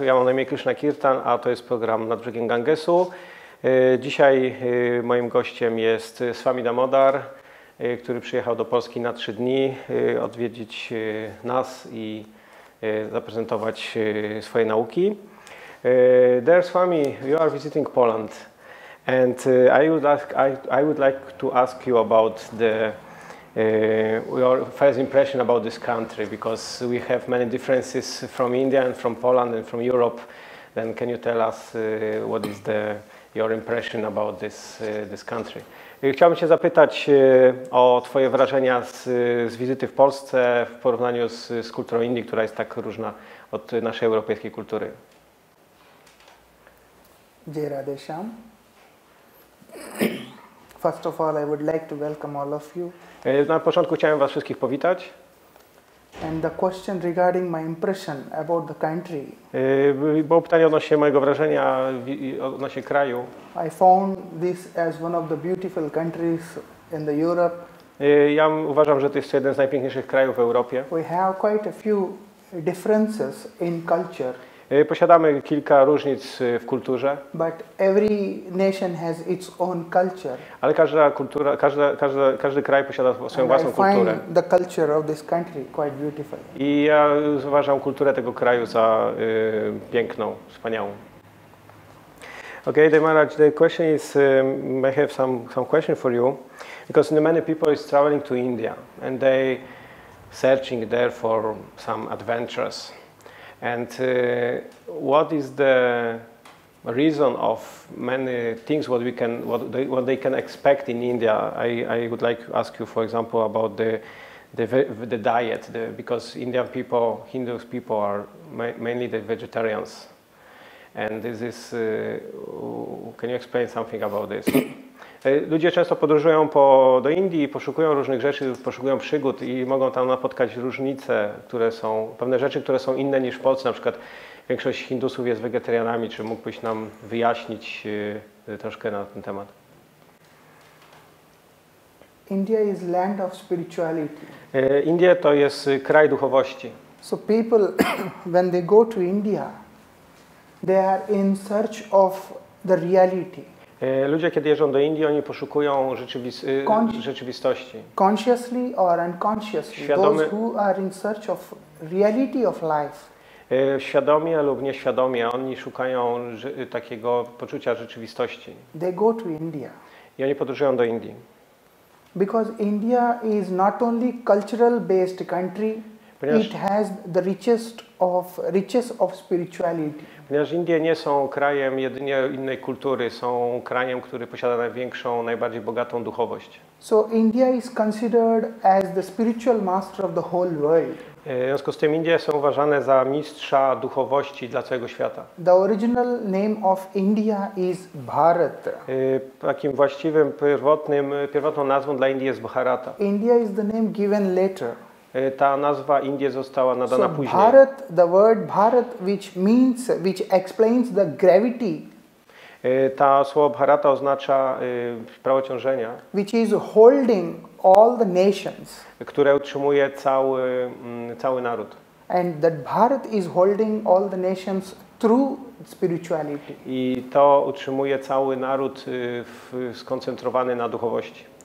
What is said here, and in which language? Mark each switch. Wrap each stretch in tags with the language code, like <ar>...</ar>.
<pl>Ja mam na imię Krishna Kirtan, a to jest program Nad brzegiem Gangesu. Dzisiaj moim gościem jest Swami Damodar, który przyjechał do Polski na 3 dni odwiedzić nas i zaprezentować swoje nauki.</pl> <en>Dear Swami, you are visiting Poland. And I would like to ask you about the your first impression about this country, because we have many differences from India and from Poland and from Europe. Then can you tell us what is the your impression about this this country?</en> <pl>Chciałbym się zapytać o twoje wrażenia z wizyty w Polsce w porównaniu z kulturą Indii, która jest tak różna od naszej europejskiej kultury.</pl> <hi>Jai Radhe Shyam.</hi> <en>First of all, I would like to welcome all of you.</en> <pl>Na początku chciałem was wszystkich powitać.</pl> <en>And the question regarding my impression about the country.</en> <pl>Było pytanie odnośnie mojego wrażenia odnośnie kraju.</pl> <en>I found this as one of the beautiful countries in the Europe.</en> <pl>Ja uważam, że to jest jeden z najpiękniejszych krajów w Europie.</pl> <en>We have quite a few differences in culture.</en> <pl>Posiadamy kilka różnic w kulturze.</pl> <en>But every nation has its own culture.</en> <pl>Ale każda kultura, każdy kraj posiada swoją</pl> <en>And</en> <pl>własną</pl> <en>I find</en> <pl>kulturę.</pl> <en>The culture of this country quite beautiful.</en> <pl>I ja uważam kulturę tego kraju za piękną, wspaniałą.</pl> <en>Okay, Damodar, the question is, I have some question for you, because many people is traveling to India and they searching there for some adventures. And what is the reason of many things what we can what they can expect in India? I would like to ask you, for example, about the diet, because Indian people, Hindu people, are mainly the vegetarians. And this is can you explain something about this?</en> <pl>Ludzie często podróżują do Indii, poszukują różnych rzeczy, poszukują przygód i mogą tam napotkać różnice, które są, pewne rzeczy, które są inne niż w Polsce. Na przykład większość Hindusów jest wegetarianami. Czy mógłbyś nam wyjaśnić troszkę na ten temat?</pl> <en>India is land of spirituality.</en> <pl>Indie to jest kraj duchowości.</pl> <en>So people, when they go to India, they are in search of the reality.</en> <pl>Ludzie, kiedy jeżdżą do Indii, oni poszukują rzeczywistości.</pl> <en>Consciously or unconsciously,</en> <pl>świadomy,</pl> <en>those who are in search of reality of life.</en> <pl>Świadomie lub nieświadomie, oni szukają takiego poczucia rzeczywistości.</pl> <en>They go to India.</en> <pl>I oni podróżują do Indii.</pl> <en>Because India is not only cultural based country, it has the richest of spirituality.</en> <pl>Ponieważ Indie nie są krajem jedynie innej kultury, są krajem, który posiada największą, najbardziej bogatą duchowość.</pl> <en>So India is considered as the spiritual master of the whole world.</en> <pl>W związku z tym Indie są uważane za mistrza duchowości dla całego świata.</pl> <en>The original name of India is Bharat.</en> <pl>Takim właściwym, pierwotną nazwą dla Indii jest Bharata.</pl> <en>India is the name given later.</en> <pl>Ta nazwa Indie została nadana so, później.</pl> <en>Bharat, the word Bharat, which explains the gravity.</en> <pl>Ta słowo Bharata oznacza prawo ciążenia.</pl> <en>Which is holding all the nations.</en> <pl>Które utrzymuje cały naród.</pl> <en>And that Bharat is holding all the nations through spirituality.</en> <pl>I to utrzymuje cały naród skoncentrowany na duchowości.</pl>